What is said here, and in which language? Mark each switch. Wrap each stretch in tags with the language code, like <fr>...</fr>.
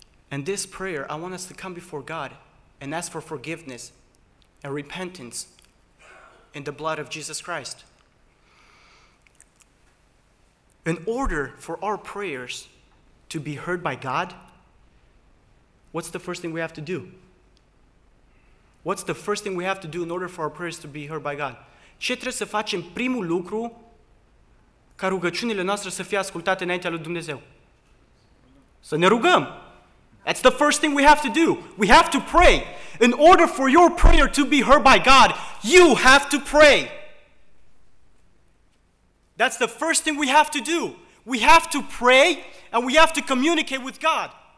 <en>And this prayer, I want us to come before God and ask for forgiveness and repentance in the blood of Jesus Christ. In order for our prayers to be heard by God, what's the first thing we have to do? What's the first thing we have to do in order for our prayers to be heard by God?</en> <ro>Ce trebuie să facem primul lucru ca rugăciunile noastre să fie ascultate înaintea lui Dumnezeu? Să ne rugăm!</ro> <en>That's the first thing we have to do. We have to pray. In order for your prayer to be heard by God, you have to pray. That's the first thing we have to do. We have to pray and we have to communicate with God.</en>